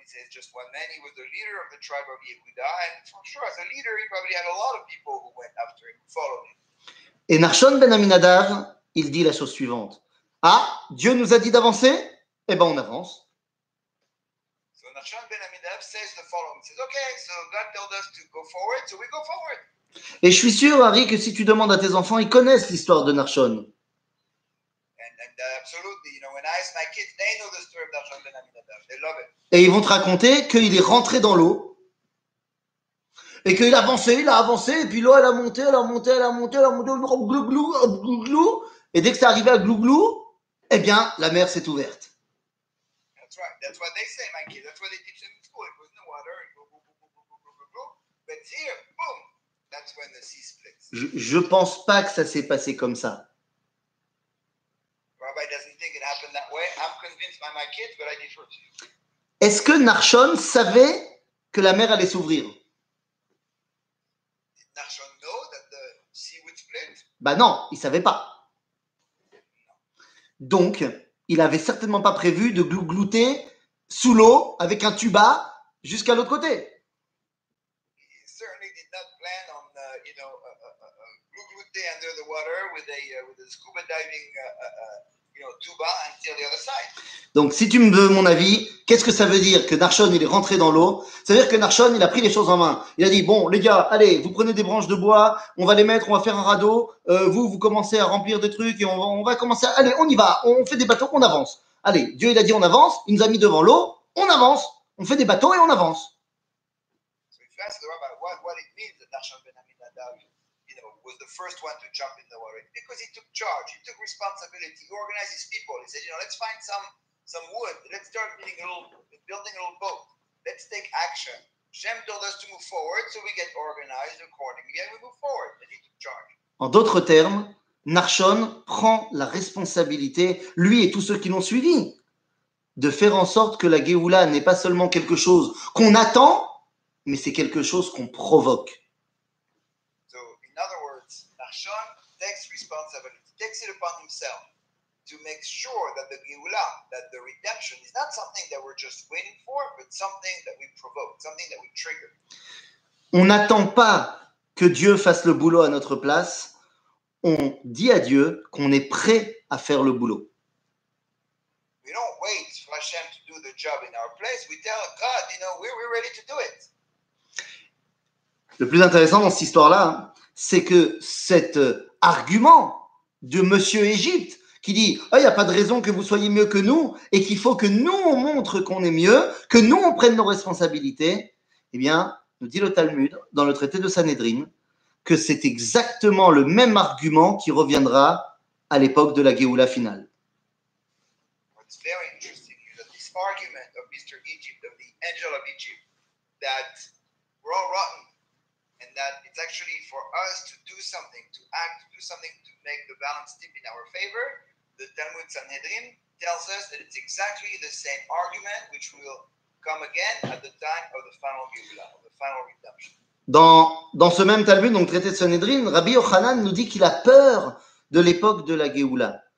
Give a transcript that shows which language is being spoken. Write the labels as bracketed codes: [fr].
[en] Just one man, he was the leader of the tribe of Yehuda, and for sure, as a leader, he probably had a lot of people who went after him, followed him. [fr] Et Nachshon ben Aminadav, il dit la chose suivante. Ah, Dieu nous a dit d'avancer? Eh ben, on avance. [en] So Nachshon ben Aminadav says the following. He says, okay, so God told us to go forward, so we go forward. [fr] Et je suis sûr, Harry, que si tu demandes à tes enfants, ils connaissent l'histoire de Nachshon. [en] Absolutely, you know, when I ask my kids, they know the story of Nachshon ben Aminadav. They love it. [fr] Et ils vont te raconter qu'il est rentré dans l'eau et qu'il a avancé, et puis l'eau, elle a monté, glou, glou, glou, et dès que c'est arrivé à glou, glou, eh bien, la mer s'est ouverte. [en] That's right. That's what they say, my kids. That's what they teach them in school. It goes in the water, it goes glou, glou, glou, glou, glou, glou, glou, glou, but here, boom, that's when the sea splits. [fr] Je pense pas que ça s'est passé comme ça. [en] Rabbi doesn't think it happened that way. I'm convinced by my kids, but I defer to you. [fr] Est-ce que Nachshon savait que la mer allait s'ouvrir? [en] Did Nachshon know that the sea would split? [fr] Ben non, il ne savait pas. Donc, il n'avait certainement pas prévu de glouglouter sous l'eau avec un tuba jusqu'à l'autre côté. [en] He certainly did not plan on, you know, glouglouter under the water with a scuba diving tuba until the other side. [fr] Donc, si tu me veux mon avis, qu'est-ce que ça veut dire que Nachshon, il est rentré dans l'eau? Ça veut dire que Nachshon, il a pris les choses en main. Il a dit, bon, les gars, allez, vous prenez des branches de bois, on va les mettre, on va faire un radeau. Vous commencez à remplir des trucs et on va commencer à... Allez, on y va, on fait des bateaux, on avance. Allez, Dieu, il a dit, on avance, il nous a mis devant l'eau, on avance, on fait des bateaux et on avance. [en] So if you ask the rabbi, what it means that Nachshon ben Aminadav, you know, was the first one to jump in the water? Because he took charge, he took responsibility, he organized his people. He said, you know, let's find some wood. Let's start building a little boat. Let's take action. Shem told us to move forward, so we get organized accordingly and we move forward. And he took charge. [fr] En d'autres termes, Nachshon prend la responsabilité, lui et tous ceux qui l'ont suivi, de faire en sorte que la Géoula n'est pas seulement quelque chose qu'on attend, mais c'est quelque chose qu'on provoque. [en] So, in other words, Nachshon takes responsibility, takes it upon himself to make sure that the Géoula, that the redemption, is not something that we're just waiting for, but something that we provoke, something that we trigger. [fr] On n'attend pas que Dieu fasse le boulot à notre place. On dit à Dieu qu'on est prêt à faire le boulot. [en] We don't wait for Hashem to do the job in our place. We tell God, you know, we're ready to do it. [fr] Le plus intéressant dans cette histoire-là, c'est que cet argument de Monsieur Égypte qui dit « Ah, il n'y a pas de raison que vous soyez mieux que nous et qu'il faut que nous, on montre qu'on est mieux, que nous, on prenne nos responsabilités », eh bien, nous dit le Talmud dans le traité de Sanhédrin, que c'est exactement le même argument qui reviendra à l'époque de la Géoula finale. [en] What's very interesting is that this argument of Mr. Egypt, of the angel of Egypt, that we're all rotten, and that it's actually for us to do something, to act, to do something to make the balance tip in our favor, the Talmud Sanhedrin tells us that it's exactly the same argument which will come again at the time of the final Géoula, of the final redemption. [fr] Dans ce même Talmud, donc traité de Sanhedrin, Rabbi Yochanan nous dit qu'il a peur de l'époque de la Géoula.